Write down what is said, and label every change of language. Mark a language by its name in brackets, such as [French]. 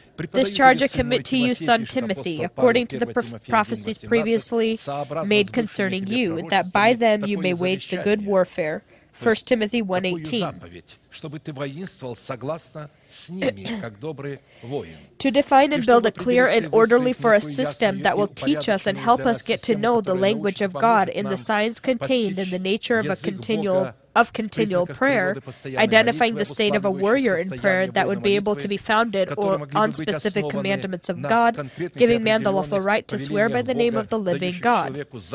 [English] This charge I commit to you, son Timothy, according to the prophecies previously made concerning you, that by them you may wage the good warfare. 1 Timothy 1:18. [Russian] Чтобы ты воинствовал согласно с ними, как добрый воин. [English] To define and build a clear and orderly for a system that will teach us and help us get to know the language of God in the signs contained in the nature of a continual of continual prayer, identifying the state of a warrior in prayer that would be able to be founded or on specific commandments of God, giving man the lawful right to swear by the name of the living God.